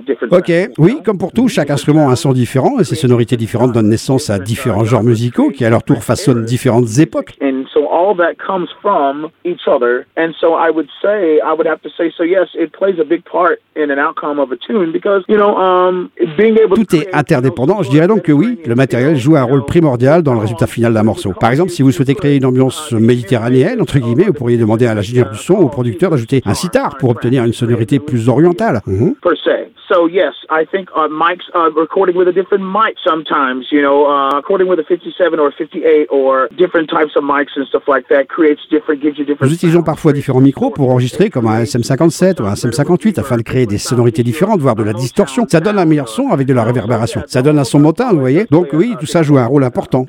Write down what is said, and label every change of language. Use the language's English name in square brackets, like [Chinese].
[French] Ok, oui, comme pour tout, chaque instrument a un son différent et ses sonorités différentes donnent naissance à différents genres musicaux qui à leur tour façonnent différentes époques. [English] All that comes from each other, and so I would have to say so yes, it plays a big part in an outcome of a tune, because you know being able [French] tout est interdépendant. Je dirais donc que oui, le matériel joue un rôle primordial dans le résultat final d'un morceau. Par exemple, si vous souhaitez créer une ambiance méditerranéenne entre guillemets, vous pourriez demander à l'ingénieur du son ou au producteur d'ajouter un sitar pour obtenir une sonorité plus orientale. [English] Per se. So yes, I think mics recording with a different mic sometimes, you know, recording with a 57 or 58 or different types of mics and stuff like that creates different, gives you different. [French] Nous utilisons parfois différents micros pour enregistrer comme un SM57 ou un SM58 afin de créer des sonorités différentes, voire de la distorsion. Ça donne un meilleur son avec de la réverbération. Ça donne un son motin, vous voyez. Donc oui, tout ça joue un rôle important.